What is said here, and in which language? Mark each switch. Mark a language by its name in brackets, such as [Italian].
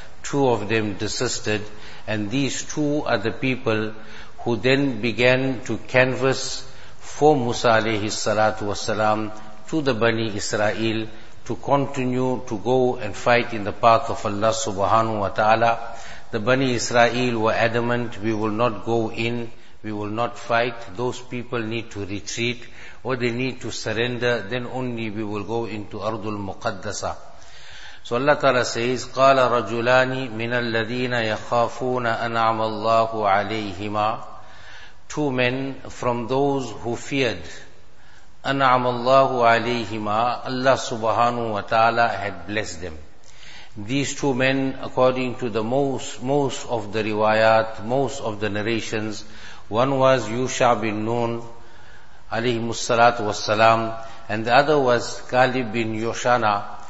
[English] Two of them desisted, and these two are the people who then began to canvass for Musa alayhi salatu wasalam to the Bani Israel to continue to go and fight in the path of Allah subhanahu wa ta'ala. The Bani Israel were adamant, we will not go in, we will not fight, those people need to retreat or they need to surrender, then only we will go into Ardul Muqaddasa. So Allah ta'ala says, [Arabic] قَالَ رَجُلَانِ مِنَ الَّذِينَ يَخَافُونَ أَنْعَمَ اللَّهُ عَلَيْهِمَا. [English] Two men from those who feared. [Arabic] أَنْعَمَ اللَّهُ عَلَيْهِمَا. [English] Allah subhanahu wa ta'ala had blessed them. These two men, according to the most of the riwayat, most of the narrations, one was Yusha bin Nun, alayhimu salatu wassalam, and the other was Ghalib bin Yushana.